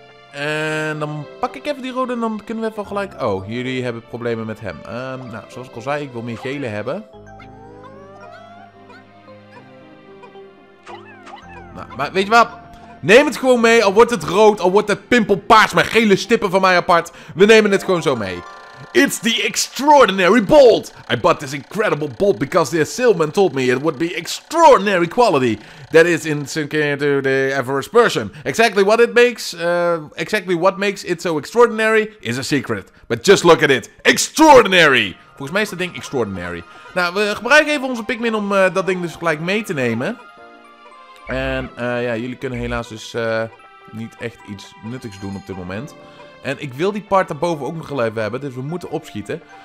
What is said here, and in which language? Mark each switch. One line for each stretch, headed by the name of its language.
Dutch: En dan pak ik even die rode en dan kunnen we even gelijk... Oh, jullie hebben problemen met hem. Nou, zoals ik al zei, ik wil meer gele hebben. Nou, maar weet je wat? Neem het gewoon mee. Al wordt het rood, al wordt het pimpelpaars met gele stippen van mij apart. We nemen het gewoon zo mee.
English: It's the extraordinary bolt. I bought this incredible bolt because the salesman told me it would be extraordinary quality. That is in comparison to the average person. Exactly what it makes, exactly what makes it so extraordinary is a secret. But just look at it. Extraordinary.
Dutch: Volgens mij is dat ding
English: extraordinary.
Dutch: Nou, we gebruiken even onze Pikmin om dat ding dus gelijk mee te nemen. En ja, jullie kunnen helaas dus niet echt iets nuttigs doen op dit moment. En ik wil die part daarboven ook nog even hebben, dus we moeten opschieten.